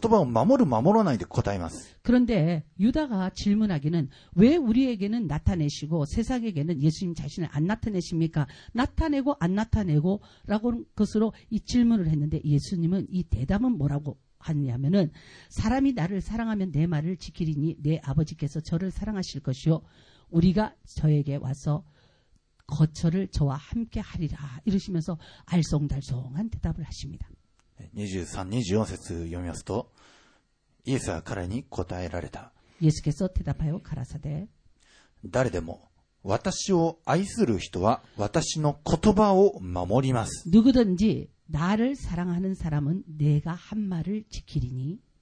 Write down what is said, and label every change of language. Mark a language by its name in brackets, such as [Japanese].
[Japanese] 예수와ね、ご自分を表す、表さないで答えるのではなく、自分を愛する、愛さない、言葉を守る、守らないで答えます。 [Korean] 그런데 유다가 질문하기는 왜 우리에게는 나타내시고 세상에게는 예수님 자신을 안 나타내십니까? 나타내고 안 나타내고 라고 것으로 이 질문을 했는데 예수님은 이 대답은 뭐라고 하냐면은 사람이 나를 사랑하면 내 말을 지키리니 내 아버지께서 저를 사랑하실 것이요 우리가 저에게 와서 거처를 저와 함께 하리라 이러시면서 알쏭달쏭한 대답을 하십니다. 23, 24절을 읽으면서 예수가 그에게 [Japanese] 答えられた. [Korean] 예수께서 대답하여 가라사대 [Japanese] 誰でも 私を愛する人は私の言葉を守ります. [Korean] 누구든지 나를 사랑하는 사람은 내가 한 말을 지키리니